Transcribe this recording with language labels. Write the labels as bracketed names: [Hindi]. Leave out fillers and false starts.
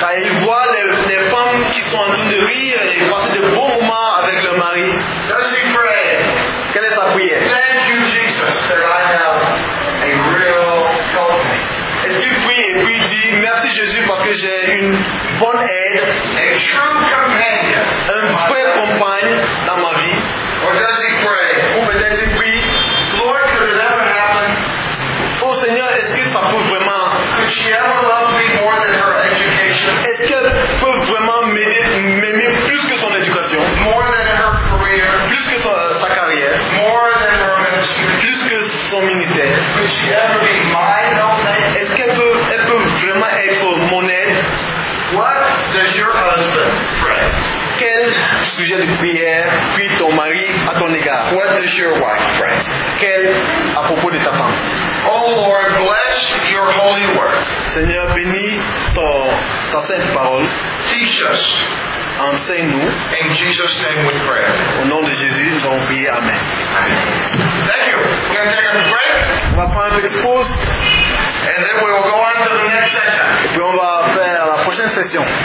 [French] Quand ils voient les femmes qui sont en train de rire et passer de bons moments avec leur mari, [English] does he pray? [French] Quelle est sa prière? [English] Thank you, Jesus, that I have a real company. [French] Est-ce qu'il prie et puis dit merci Jésus parce que j'ai une bonne aide, [English] a true companion, [French] un vrai compagne dans ma vie? [English] Or does he pray? [French] Ou peut-être il prie, [English] Lord, could it ever happen? [French] Oh Seigneur, est-ce que ça peut vraiment? [English] Could she ever love me more than her education? [French] Est-ce qu'elle peut vraiment m'aimer plus que son éducation? [English] More than her career? [French] Plus que sa carrière? [English] More than her ministry? [French] Plus que son ministère? [English] Could she ever be my helpmate? [French] Est-ce qu'elle peut, elle peut vraiment être mon aide? [English] What does your husband pray? [French] Quel sujet de prière puis ton mari à ton égard? [English] What does your wife pray? [French] Quel à propos de ta femme? [English] Oh Lord, bless your holy word. [French] Seigneur, bénis ta sainte parole. [English] Teach us. [French] Enseigne-nous. [English] In Jesus' name we pray. [French] Au nom de Jésus, nous avons prié. Amen. [English] Thank you. We're going to take a break. [French] On va prendre une petite pause. [English] And then we will go on to the next session. [French] Et puis on va faire la prochaine session.